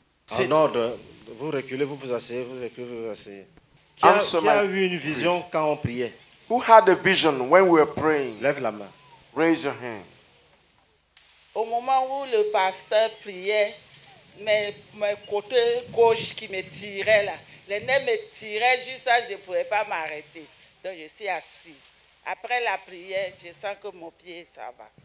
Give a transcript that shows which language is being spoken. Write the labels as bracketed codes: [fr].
[fr] En ordre, vous reculez, vous vous asseyez, vous reculez, vous vous asseyez. Qui a eu une vision Christ. Quand on priait? [en] Who had a vision when we were praying? [fr] Lève la main. [en] Raise your hand. [fr] Au moment où le pasteur priait, mes côtés gauche qui me tiraient là, les nerfs me tiraient juste là, je ne pouvais pas m'arrêter. Donc je suis assise. Après la prière, je sens que mon pied, ça va.